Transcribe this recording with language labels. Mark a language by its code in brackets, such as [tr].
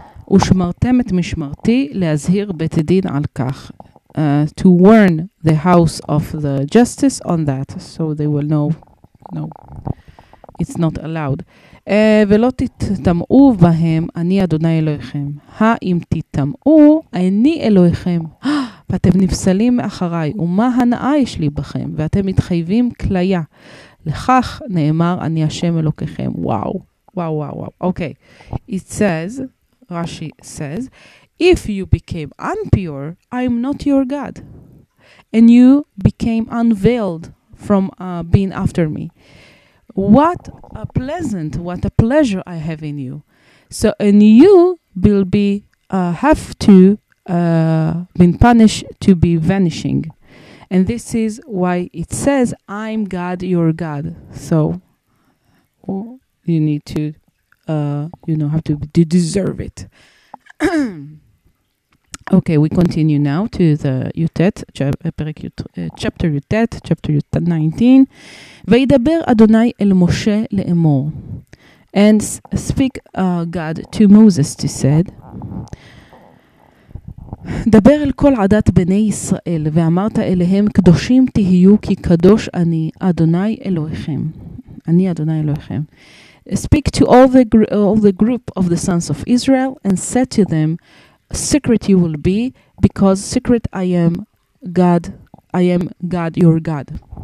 [he] ושמרתם את משמרתי להזהיר בית הדין על כך. [en] To warn the house of the justice on that, so they will know, no, it's not allowed. [he] ולא תטמאו בהם, אני אדוני אלוהיכם. האם תטמאו, אני אלוהיכם. ואתם נפסלים אחריי, ומה הנאה יש לי בכם, ואתם מתחייבים כליה. לכך נאמר אני השם אלוקיכם. וואו, וואו, וואו, וואו. אוקיי. Okay. [en] It says, Rashi says, if you became unpure, I'm not your God. And you became unveiled from being after me. What a pleasant, what a pleasure I have in you. So, and you will be, have to been punished to be vanishing. And this is why it says, I'm God, your God. So, you need to, you know, have to deserve it. Okay, we continue now to the Yutet, chapter Yutet, chapter Yutet 19. [he] וידבר אדוני אל משה לאמור. [en] And speak God to Moses, he said. [he] דבר אל כל עדת בני ישראל ואמרת אליהם קדושים תהיו כי קדוש אני אדוני אלוהיכם [en] אני אדוני אלוהיכם speak to all the group of the sons of Israel and said to them secret you will be because secret I am God your God